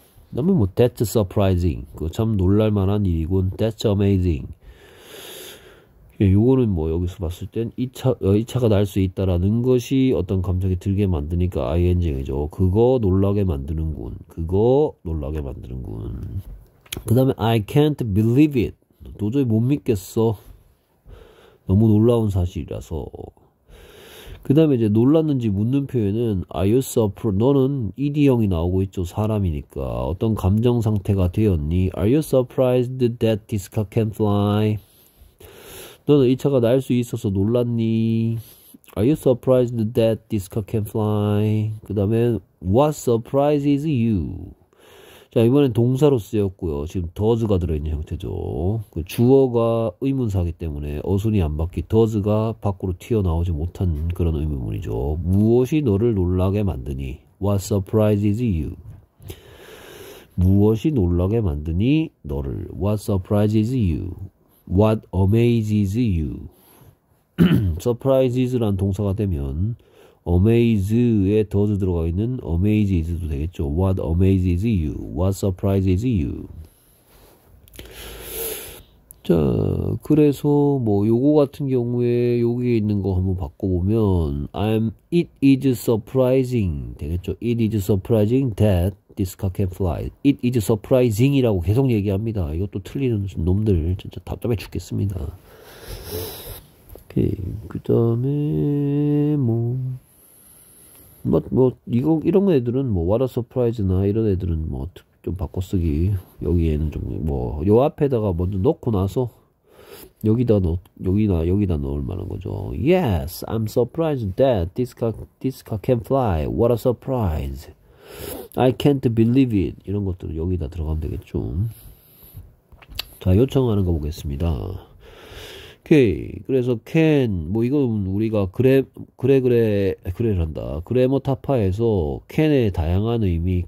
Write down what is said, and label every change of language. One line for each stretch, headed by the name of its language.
Korean: 그다음에 뭐
English: that's surprising
Korean: 그거 참 놀랄만한 일이군
English: that's amazing
Korean: 요거는 뭐 여기서 봤을 땐이 차, 이 차가 날수 있다라는 것이 어떤 감정이 들게 만드니까 ing이죠 그거 놀라게 만드는군 그거 놀라게 만드는군 그다음에
English: I can't believe it
Korean: 도저히 못 믿겠어 너무 놀라운 사실이라서 그 다음에 이제 놀랐는지 묻는 표현은
English: Are you surprised?
Korean: 너는 ED형이 나오고 있죠. 사람이니까. 어떤 감정 상태가 되었니?
English: Are you surprised that this car can fly?
Korean: 너는 이 차가 날수 있어서 놀랐니?
English: Are you surprised that this car can fly?
Korean: 그 다음에
English: What surprises you?
Korean: 자, 이번엔 동사로 쓰였고요. 지금 does가 들어있는 형태죠. 그 주어가 의문사기 때문에 어순이 안 바뀌 does가 밖으로 튀어나오지 못한 그런 의문문이죠. 무엇이 너를 놀라게 만드니?
English: What surprises you?
Korean: 무엇이 놀라게 만드니? 너를.
English: What surprises you? What amazes you?
Korean: surprises란 동사가 되면 Amaze에 does 들어가 있는 amazes도 되겠죠.
English: What amazes you? What surprises you?
Korean: 자, 그래서 뭐 요거 같은 경우에 여기에 있는 거 한번 바꿔보면
English: it is surprising
Korean: 되겠죠?
English: It is surprising that this car can fly. It is surprising
Korean: 이라고 계속 얘기합니다. 이것도 틀리는 놈들 진짜 답답해 죽겠습니다. 오케이, 그다음에 뭐 이거 이런 애들은 뭐
English: what a surprise
Korean: 나 이런 애들은 뭐좀 바꿔쓰기 여기에는 좀뭐요 앞에다가 먼저 넣고 나서 여기다 넣을 만한 거죠.
English: Yes, I'm surprised that this car can fly. What a surprise. I can't believe it.
Korean: 이런 것들은 여기다 들어가면 되겠죠. 자, 요청하는 거 보겠습니다. 오케이. 그래서 can 뭐 이건 우리가 그래란다. 그래머 타파에서 can의 다양한 의미.